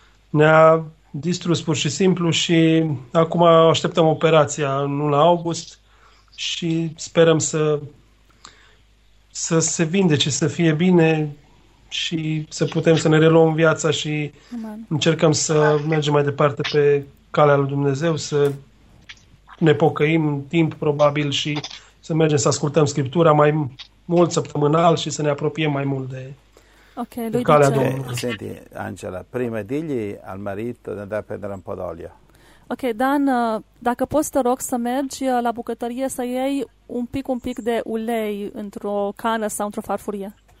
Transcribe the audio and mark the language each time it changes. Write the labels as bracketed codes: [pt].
[ro] ne-a distrus pur și simplu și acum așteptăm operația în luna august și sperăm să se vindece, să fie bine și să putem să ne reluăm viața și încercăm să mergem mai departe pe calea lui Dumnezeu, să ne pocăim în timp probabil și să mergem să ascultăm Scriptura mai mult săptămânal și să ne apropiem mai mult de, okay, de calea [it] dice [ro] Domnului. [it] Senti, Angela, prima digli al marito de andare a prendere un po' d'olio. [ro] Ok, Dan, dacă poți te rog să mergi la bucătărie să iei un pic de ulei într-o cană sau într-o farfurie.